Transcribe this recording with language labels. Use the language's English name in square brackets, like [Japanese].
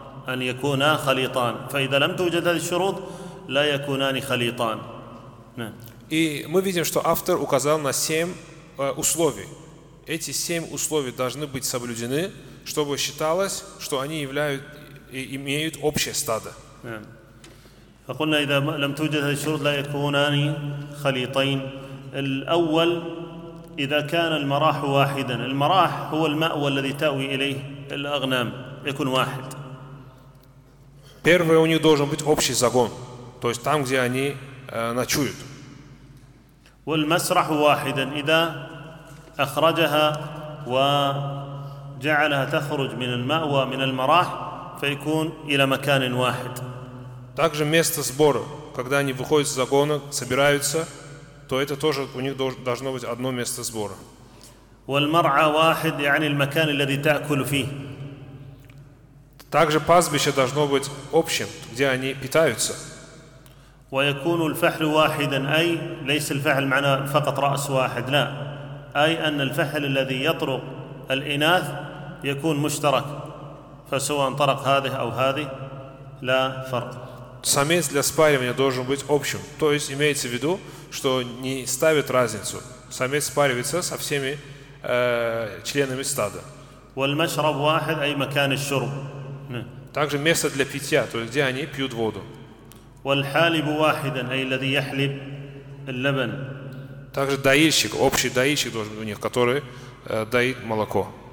[Arabic] أن يكونا خليطان، فإذا لم توجد هذه الشروط لا يكونان خليطان. [Russian] И мы видим, что автор указал на семь условий. Эти семь условий должны быть соблюдены, чтобы считалось, что они имеют общее стадо. [Arabic] فقلنا إذا لم توجد هذه الشروط لا يكونان خليطين. الأول إذا كان المراح واحدا. المراح هو المأوى الذي تأوي إليه الأغنام، يكون واحد. [Russian] Первое, у них должен быть общий загон, то есть там, где они ночуют. [Arabic] والمسرح واحدا إذا أخرجها وجعلها تخرج من المأوى من المراح فيكون إلى مكان واحد. [Russian] Также место сбора, когда они выходят из загона, собираются, то это тоже у них должно быть одно место сбора. [Arabic] والمرعى واحد يعني المكان الذي تأكل فيه. [Russian] Также пастбище должно быть общим, где они питаются. [Arabic] ويكون الفحل واحدا أي ليس الفحل معناه فقط رأس واحد لا أي أن الفحل الذي يطرق الإناث يكون مشترك فسواء طرق هذه أو هذه لا فرق. [Russian] Самец для спаривания должен быть общим, то есть имеется в виду, что не ставит разницу. Самец спаривается со всеми членами стада. [Arabic] والمشرب واحد أي مكان الشرب. [Russian] Также место для питья, то есть где они пьют воду. [Arabic] والحالب واحدا أي الذي يحلب اللبن. [Russian] Также доильщик, общий доильщик должен быть у них, который доит молоко.